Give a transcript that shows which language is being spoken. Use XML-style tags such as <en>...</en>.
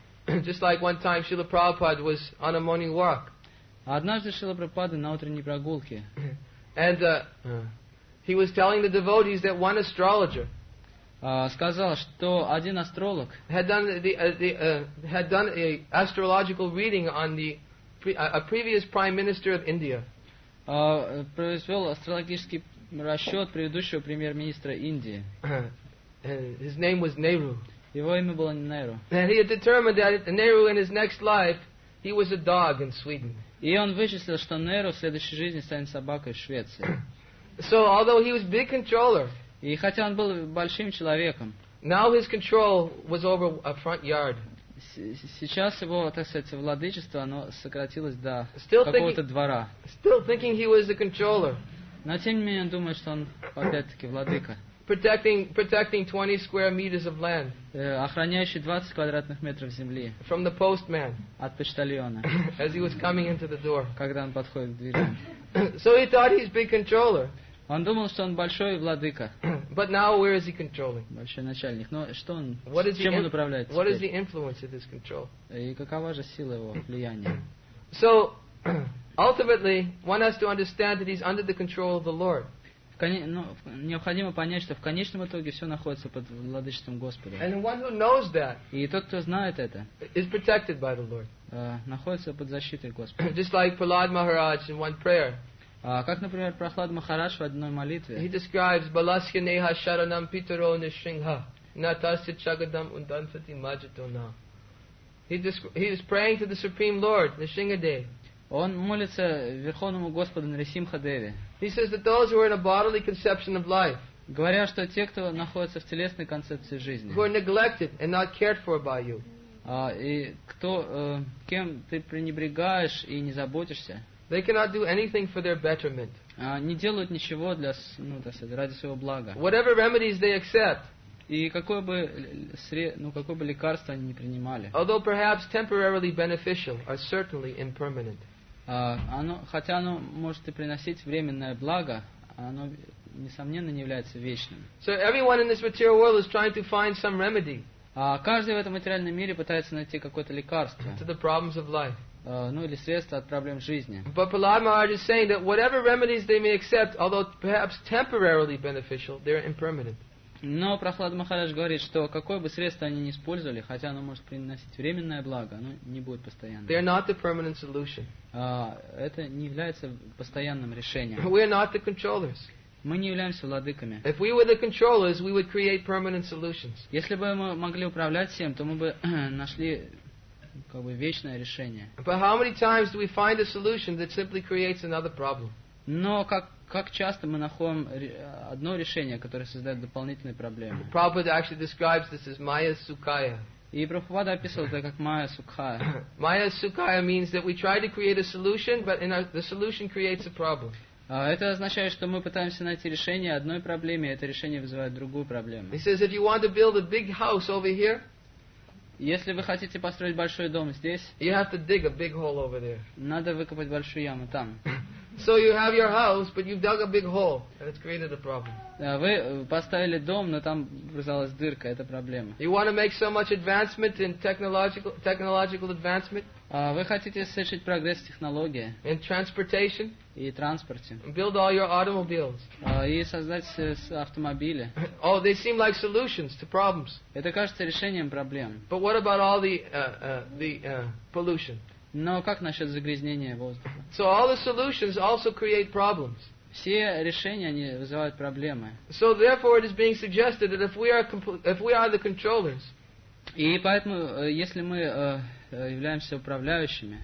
<en>Just like one time Srila Prabhupada was on a morning walk.</en> <ru>Однажды Шрила Прабхупада на утренней прогулке.</ru> <en>And he was telling the devotees that one astrologer</en> <ru>сказал, что один астролог</ru> <en>had done an astrological reading on a previous prime minister of India.</en> <ru>Произвел астрологический расчет предыдущего премьер-министра Индии.</ru> <en>His name was Nehru.</en> <ru>Его имя было Нейру.</ru> <en>And he had determined that Nehru in his next life he was a dog in Sweden.</en> <ru>И он вычислил, что Нейру в следующей жизни станет собакой в Швеции.</ru> <en>So although he was big controller,</en> <ru>и хотя он был большим человеком,</ru> <en>now his control was over a front yard.</en> <ru>Сейчас его, так сказать, владычество, оно сократилось до какого-то двора.</ru> <en>Still thinking he was the controller.</en> <ru>Но тем не менее он думает, что он опять-таки владыка.</ru> <en>Protecting 20 square meters of land.</en> <ru>Охраняющий 20 квадратных метров земли.</ru> <en>From the postman.</en> <ru>От почтальона.</ru> <en>As he was coming into the door.</en> <ru>Когда он подходит к дверям.</ru> <en>So he thought he's big controller.</en> <ru>Он думал, что он большой владыка.</ru> <en>But now where is he controlling?</en> <ru>Большой начальник. Но что он?</ru> <en>What is</en> <ru>чем он управляет?</ru> <en>What is the influence of his control?</en> <ru>И какова же сила его влияния?</ru> <en>So ultimately, one has to understand that he's under the control of the Lord.</en> <ru>Необходимо понять, что в конечном итоге все находится под владычеством Господа.</ru> <en>And one who knows that,</en> <ru>и тот, кто знает это,</ru> <en>is protected by the Lord.</en> <ru>Находится под защитой Господа.</ru> <en>Just like Prahlad Maharaj in one prayer.</en> <ru>Как, например, Прохлад Махарадж в одной молитве.</ru> <en>He describes</en> <sa>Balasya Neha Sharanam Pitaro Nishringha Natasya Chagadam Undanfati Majitona.</sa> <en>He is praying to the Supreme Lord, Nishringadev.</en> <ru>Он молится Верховному Господу Нарисимха Деви.</ru> <en>He says that those who are in a bodily conception of life,</en> <ru>говоря, что те, кто находится в телесной концепции жизни,</ru> <en>who are neglected and not cared for by you,</en> <ru>и кто, кем ты пренебрегаешь и не заботишься,</ru> <en>they cannot do anything for their betterment.</en> <ru>Не делают ничего для, ради своего блага.</ru> <en>Whatever remedies they accept,</en> <ru>и какое бы какое бы лекарство они не принимали,</ru> <en>although perhaps temporarily beneficial, are certainly impermanent.</en> <ru>Хотя оно может и приносить временное благо, оно несомненно не является вечным.</ru> <en>So everyone in this material world is trying to find some remedy.</en> <ru>Каждый в этом материальном мире пытается найти какое-то лекарство.</ru> <en>To the problems of life.</en> <ru>Или средство от проблем жизни.</ru> <en>But Prahlad Maharaj is saying that whatever remedies they may accept, although perhaps temporarily beneficial, they're impermanent.</en> <ru>Но Прохлад Махарадж говорит, что какое бы средство они ни использовали, хотя оно может приносить временное благо, оно не будет постоянным.</ru> <en>They are not the permanent solution.</en> <ru>Это не является постоянным решением.</ru> <en>We are not the controllers.</en> <ru>Мы не являемся владыками.</ru> <en>If we were the controllers, we would create permanent solutions.</en> <ru>Если бы мы могли управлять всем, то мы бы нашли вечное решение.</ru> <en>But how many times do we find a solution that simply creates another problem?</en> <ru>Но как часто мы находим одно решение, которое создает дополнительные проблемы?</ru> <en>Prabhupada actually describes this as Maya Sukhaya.</en> <ru>И Прабхупада описывал это как Maya Sukhaya.</ru> <en>Maya Sukhaya means that we try to create a solution, but the solution creates a problem.</en> <ru>Это означает, что мы пытаемся найти решение одной проблеме, и это решение вызывает другую проблему.</ru> <en>He says, if you want to build a big house over here,</en> <ru>если вы хотите построить большой дом здесь,</ru> <en>you have to dig a big hole over there.</en> <ru>Надо выкопать большую яму там.</ru> <en>So you have your house, but you've dug a big hole, and it's created a problem.</en> <ru>Вы поставили дом, но там образовалась дырка, это проблема.</ru> <en>You want to make so much advancement in technological advancement?</en> <ru>Вы хотите совершить прогресс в технологии?</ru> <en>In transportation?</en> <ru>И транспорте.</ru> <en>Build all your automobiles.</en> <ru>И создать автомобили.</ru> <en>Oh, they seem like solutions to problems.</en> <ru>Это кажется решением проблем.</ru> <en>But what about all the pollution?</en> <ru>Но как насчет загрязнения воздуха?</ru> <en>So all the solutions also create problems.</en> <ru>Все решения они вызывают проблемы.</ru> <en>So therefore it is being suggested that if we are the controllers,</en> <ru>и поэтому если мы являемся управляющими,</ru>